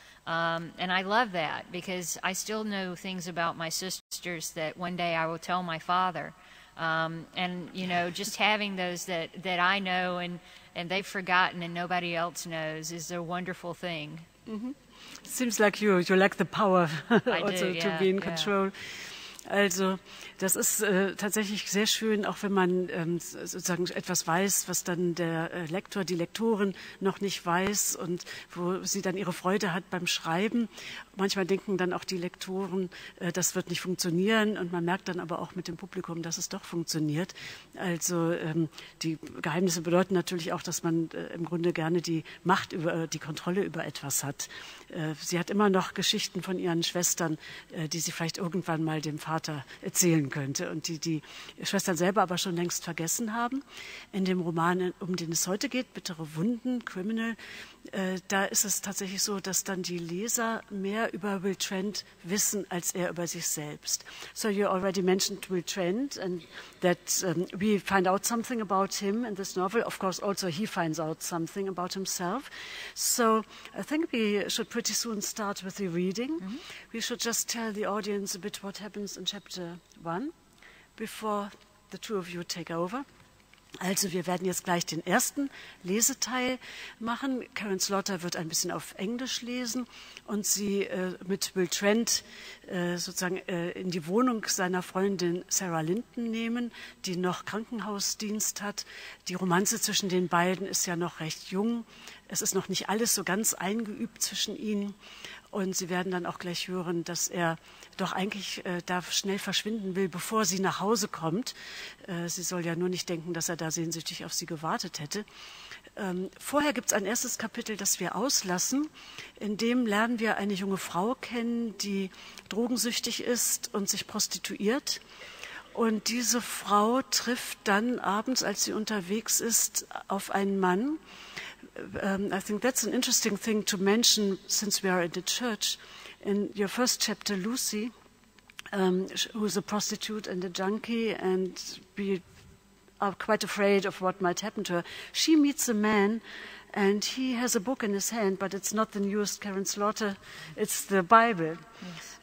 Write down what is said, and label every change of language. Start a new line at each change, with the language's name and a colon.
English: And I love that because I still know things about my sisters that one day I will tell my father. And, you know, just having those that I know and they've forgotten and nobody else knows is a wonderful thing. Mm-hmm. Seems like you lack the power also yeah, to be in yeah. control.
German: Also, das ist tatsächlich sehr schön, auch wenn man sozusagen etwas weiß, was dann der Lektor, die Lektorin noch nicht weiß und wo sie dann ihre Freude hat beim Schreiben. Manchmal denken dann auch die Lektoren, das wird nicht funktionieren und man merkt dann aber auch mit dem Publikum, dass es doch funktioniert. Also die Geheimnisse bedeuten natürlich auch, dass man im Grunde gerne die Macht über die Kontrolle über etwas hat. Sie hat immer noch Geschichten von ihren Schwestern, die sie vielleicht irgendwann mal dem Vater erzählen könnte und die Schwestern selber aber schon längst vergessen haben. In dem Roman, um den es heute geht, Bittere Wunden, Criminal, da ist es tatsächlich so, dass dann die Leser mehr über Will Trent wissen, als er über sich selbst.
English: So you already mentioned Will Trent and that we find out something about him in this novel. Of course, also he finds out something about himself. So I think we should pretty soon start with the reading. Mm-hmm. We should just tell the audience a bit what happens in chapter one before the two of you take over.
German: Also wir werden jetzt gleich den ersten Leseteil machen. Karen Slaughter wird ein bisschen auf Englisch lesen und sie mit Will Trent sozusagen in die Wohnung seiner Freundin Sarah Linton nehmen, die noch Krankenhausdienst hat. Die Romanze zwischen den beiden ist ja noch recht jung. Es ist noch nicht alles so ganz eingeübt zwischen ihnen. Und sie werden dann auch gleich hören, dass er doch eigentlich da schnell verschwinden will, bevor sie nach Hause kommt. Sie soll ja nur nicht denken, dass er da sehnsüchtig auf sie gewartet hätte. Vorher gibt es ein erstes Kapitel, das wir auslassen. In dem lernen wir eine junge Frau kennen, die drogensüchtig ist und sich prostituiert. Und diese Frau trifft dann abends, als sie unterwegs ist, auf einen Mann.
English: I think that's an interesting thing to mention since we are in the church. in your first chapter, Lucy, who's a prostitute and a junkie, and we are quite afraid of what might happen to her. She meets a man, and he has a book in his hand, but it's not the newest Karen Slaughter, it's the Bible. Yes.